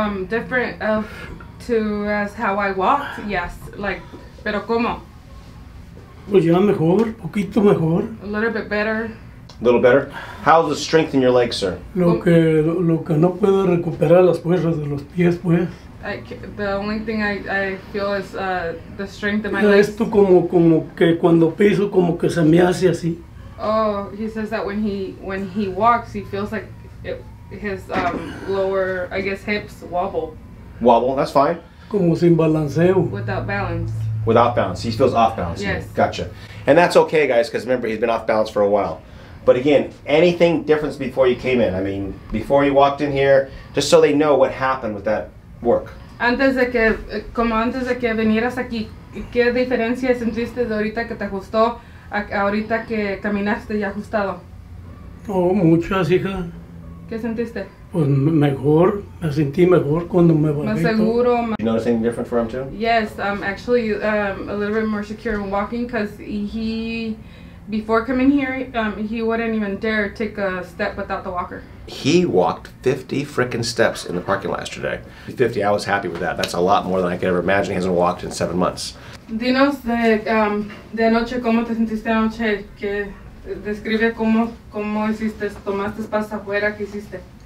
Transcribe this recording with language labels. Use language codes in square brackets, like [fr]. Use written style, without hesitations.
[en] Different of to as how I walked, yes, like, [es] pero ¿cómo? Pues ya mejor, poquito mejor. [en] A little bit better. A little better? How's the strength in your legs, sir? [es] Lo que no puedo recuperar las fuerzas de los pies, pues. [en] The only thing I feel is the strength in my legs. [es] Esto como que cuando piso como que se me hace así. [en] Oh, he says that when he walks, he feels like his lower, I guess, hips wobble. Wobble, that's fine. [es] Como sin balanceo. [en] Without balance. Without balance. He feels off balance. Yes. Gotcha. And that's okay, guys, because remember, he's been off balance for a while. But again, anything different before you came in? I mean, before you walked in here, just so they know what happened with that work. [es] Antes de que, como antes de que vinieras aquí, ¿qué diferencia sentiste de ahorita que te ajustó a ahorita que caminaste y ajustado? Oh, muchas, hija. ¿Qué sentiste? Pues mejor, me sentí mejor cuando me bajé. Más seguro. [en] You notice anything different for him too? Yes, actually, a little bit more secure in walking because he... Before coming here, he wouldn't even dare take a step without the walker. He walked 50 frickin' steps in the parking lot yesterday. 50, I was happy with that. That's a lot more than I could ever imagine. He hasn't walked in 7 months. [es] Dinos de anoche, ¿cómo te sentiste anoche? Que describe cómo hiciste, tomaste paso afuera, ¿qué hiciste?